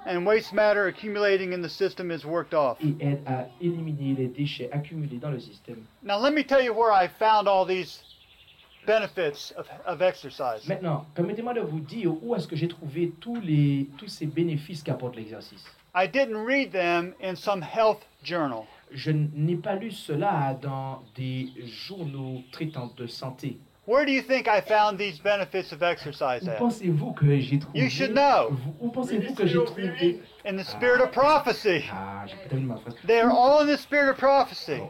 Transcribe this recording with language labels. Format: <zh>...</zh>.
<en>And waste matter accumulating in the system is worked off.</en> <fr>Il aide à éliminer les déchets accumulés dans le système.</fr> <en>Now let me tell you where I found all these benefits of exercise.</en> <fr>Maintenant, permettez-moi de vous dire où est-ce que j'ai trouvé tous ces bénéfices qu'apporte l'exercice.</fr> <en>I didn't read them in some health journal.</en> <fr>Je n'ai pas lu cela dans des journaux traitant de santé.</fr> <en>Where do you think I found these benefits of exercise at?</en> <fr>Où pensez-vous que j'ai trouvé?</fr> <en>You should know.</en> <fr>Où pensez-vous que j'ai trouvé?</fr> <en>In the spirit of prophecy. They are all in the spirit of prophecy.</en>